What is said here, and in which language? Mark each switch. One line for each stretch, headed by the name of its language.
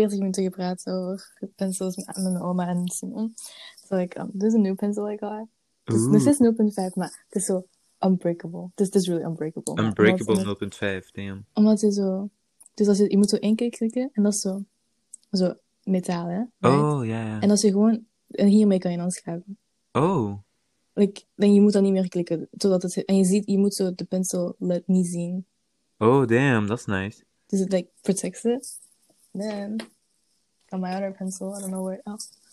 Dutch: 40 minuten gepraat over pencils met mijn oma en Simon.
English: So, like, this is a new pencil I got.
Dutch: Dus is 0.5, maar het is zo...
English: Unbreakable. This is really unbreakable. Unbreakable 0.5, damn.
Dutch: Omdat je zo... Dus als je moet zo één keer klikken en dat is zo... Zo metaal, hè?
English: Right?
Dutch: Oh, ja. En als je gewoon. En hiermee kan je dan schrijven. Oh. Dan je moet dan niet meer klikken. Totdat het, en je ziet, je moet zo de pencil led niet zien.
English: Oh, damn, that's nice.
Dutch: Dus het
English: protects it. Then, on my other pencil, I don't know where else.